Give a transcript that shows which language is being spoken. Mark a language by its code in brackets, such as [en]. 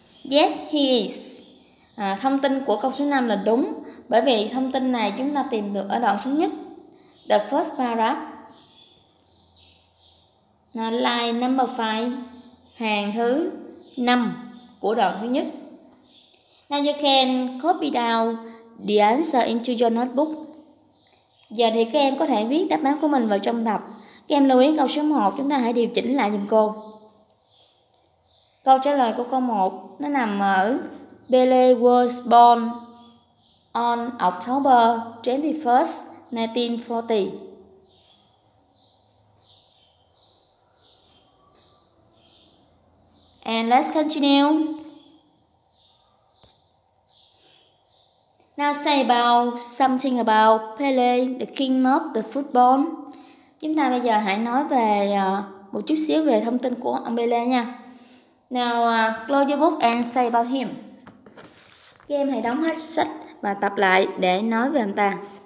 [en] Yes, he is. [vi] Thông tin của câu số 5 là đúng, bởi vì thông tin này chúng ta tìm được ở đoạn thứ nhất, [en] the first paragraph. Line number 5, [vi] hàng thứ 5 của đoạn thứ nhất. [en] Now you can copy down the answer into your notebook. [vi] Giờ thì các em có thể viết đáp án của mình vào trong tập. Các em lưu ý câu số 1 chúng ta hãy điều chỉnh lại giùm cô. Câu trả lời của câu 1 nó nằm ở [en] Pele was born on October 21st, 1940. And let's continue. Now say about something about Pele, the king of the football. [vi] Chúng ta bây giờ hãy nói về một chút xíu về thông tin của ông Pele nha. [en] Now close your book and say about him. [vi] Các em hãy đóng hết sách và tập lại để nói về ông ta.